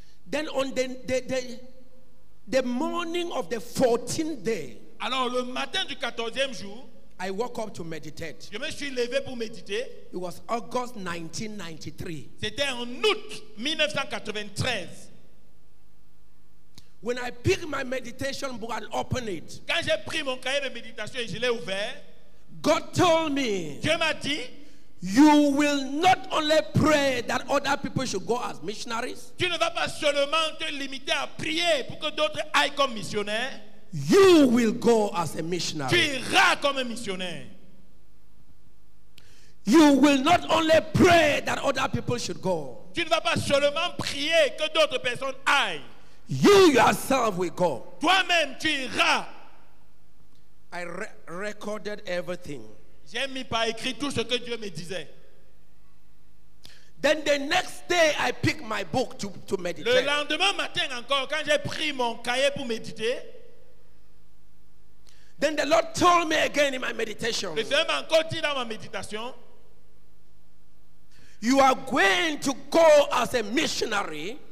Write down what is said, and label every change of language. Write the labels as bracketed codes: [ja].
[en] Then on the morning of the 14th day. [fr] Alors le matin du 14e jour, [en] I woke up to meditate. [fr] Je me suis levé pour méditer. [en] It was August 1993. [fr] C'était en août 1993. [en] When I picked my meditation book and opened it. [fr] Quand j'ai pris mon cahier de méditation et je l'ai ouvert, [en] God told me. [fr] Dieu m'a dit, [en] you will not only pray that other people should go as missionaries. [fr] Tu ne vas pas seulement te limiter à prier pour que d'autres aillent comme missionnaires. [en] You will go as a missionary. [fr] Tu iras comme un missionnaire. [en] You will not only pray that other people should go. [fr] Tu ne vas pas seulement prier que d'autres personnes aillent. [en] You yourself will go. [fr] Toi-même, tu iras. [en] I recorded everything. [fr] J'ai mis par écrit tout ce que Dieu me disait. [en] Then the next day I picked my book to meditate. [fr] Le lendemain matin encore, quand j'ai pris mon cahier pour méditer, [en] then the Lord told me again in my meditation. [fr] Le Seigneur m'a encore dit dans ma méditation, [en] you are going to go as a missionary.